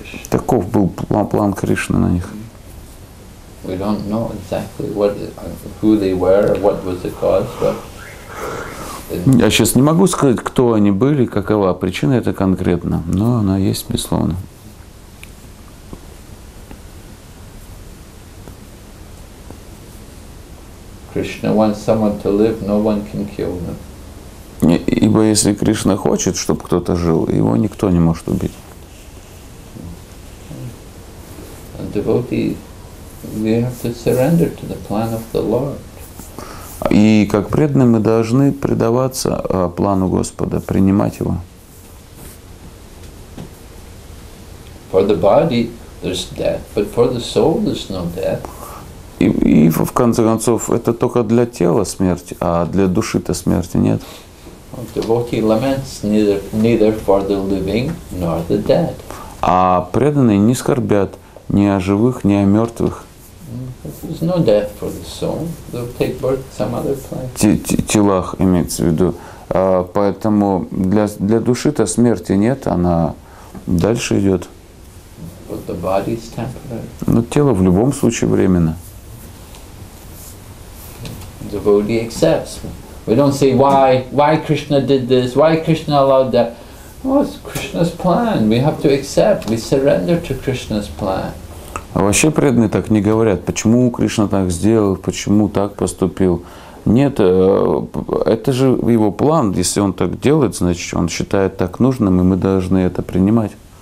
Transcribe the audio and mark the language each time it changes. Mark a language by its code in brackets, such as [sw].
[ru] Таков был план Кришны на них. [en] We don't know exactly who they were, what was the cause, but. [ru] Я сейчас не могу сказать, кто они были, какова причина это конкретно, но она есть, безусловно. [en] Krishna wants someone to live, no one can kill them. [ru] Ибо если Кришна хочет, чтобы кто-то жил, его никто не может убить. [en] A devotee, we have to surrender to the plan of the Lord. [ru] И как преданные мы должны предаваться плану Господа, принимать его. [en] For the body, there's death, but for the soul, there's no death. [ru] И в конце концов, это только для тела смерть, а для души-то смерти нет. [en] Devotee laments neither for the living nor the dead. [ru] А преданные не скорбят ни о живых, ни о мертвых. [en] There's no death for the soul. They'll take birth in some other place. [ru] Телах имеется в виду. Поэтому для души-то смерти нет, она дальше идет. [en] But the body is temporary. [ru] Но тело в любом случае временно. [en] Devotee accepts. We don't say why Krishna did this, why Krishna allowed that. Well, it's Krishna's plan. We have to accept. We surrender to Krishna's plan. [ru] А вообще преданные так не говорят, почему Кришна так сделал, почему так поступил. Нет, это же его план. Если он так делает, значит, он считает так нужным, и мы должны это принимать.